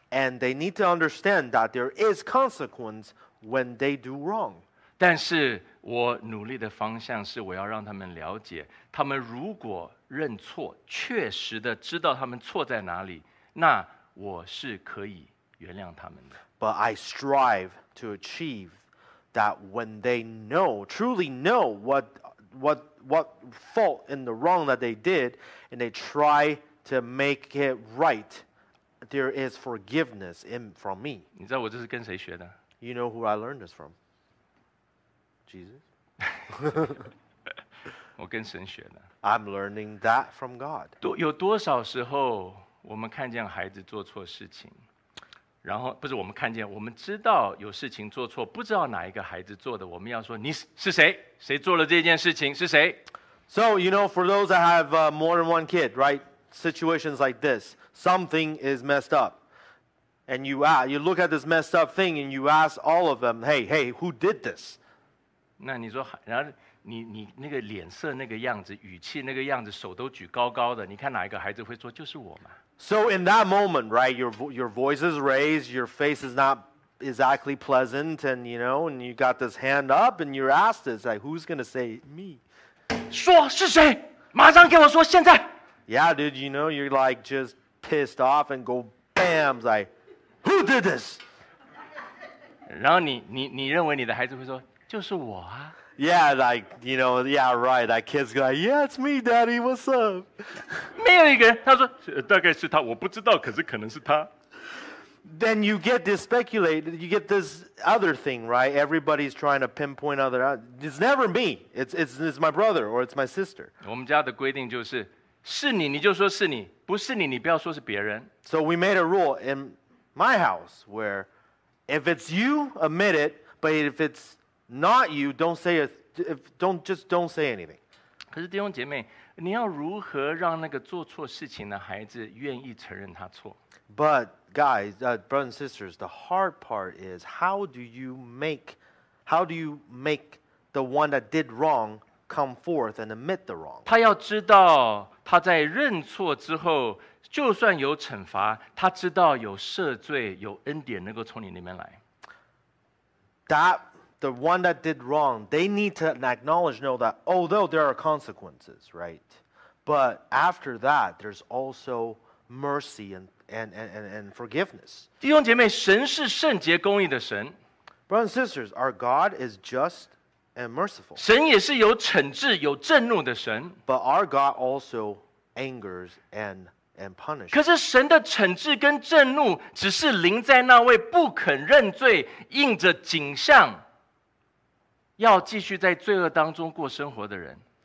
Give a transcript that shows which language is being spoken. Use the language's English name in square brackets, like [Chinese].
[English] And they need to understand that there is consequence when they do wrong. [Chinese] 但是我努力的方向是我要让他们了解，他们如果认错，确实的知道他们错在哪里，那我是可以原谅他们的。 [English] But I strive to achieve that when they know, truly know what fault and the wrong that they did, and they try to make it right, there is forgiveness from me. [Chinese] 你知道我这是跟谁学的？ [English] You know who I learned this from? Jesus? [Chinese] 我跟神学的。 [English] I'm learning that from God. [Chinese] 有多少时候我们看见孩子做错事情，然后不是我们看见，我们知道有事情做错，不知道哪一个孩子做的，我们要说你是谁？谁做了这件事情？是谁 [English] ？So you know, for those that have more than one kid, right? Situations like this, something is messed up, and you look at this messed up thing, and you ask all of them, hey, who did this? [Chinese] 那你说，然后你那个脸色、那个样子、语气、那个样子，手都举高高的，你看哪一个孩子会说就是我嘛？ [English] So in that moment, right, your voice is raised, your face is not exactly pleasant, and you know, and you got this hand up, and you're asked this, like, who's going to say me? [Chinese] 说是谁？马上给我说，现在！ [English] Yeah, dude, you know, you're like just pissed off and go bam, like, who did this? [Chinese] 然后你认为你的孩子会说，就是我啊。 [English] Yeah, like, you know, yeah, right. That kid's like, yeah, it's me, daddy, what's up? [Chinese] 没有一个人，他说，大概是他，我不知道，可是可能是他。 [English] Then you get this speculated, you get this other thing, right? Everybody's trying to pinpoint other, it's never me. It's my brother or it's my sister. [Chinese] 我们家的规定就是，是你，你就说是你，不是你，你不要说是别人。 [English] So we made a rule in my house where if it's you, admit it, but if it's not you, don't say anything. [Chinese] 可是弟兄姐妹，你要如何让那个做错事情的孩子愿意承认他错？ [English] But guys, brothers and sisters, the hard part is how do you make the one that did wrong come forth and admit the wrong? [Chinese] 他要知道他在认错之后，就算有惩罚，他知道有赦罪、有恩典能够从你那边来。 [English] The one that did wrong, they need to acknowledge, know that although there are consequences, right? But after that, there's also mercy and forgiveness. [Chinese] 弟兄姐妹，神是圣洁公义的神。 [English] Brothers and sisters, our God is just and merciful. [Chinese] 神也是有惩治、有震怒的神。 [English] But our God also angers and and punished. [Chinese] 可是神的惩治跟震怒只是临在那位不肯认罪，应着景象要继续在罪恶当中过生活的人。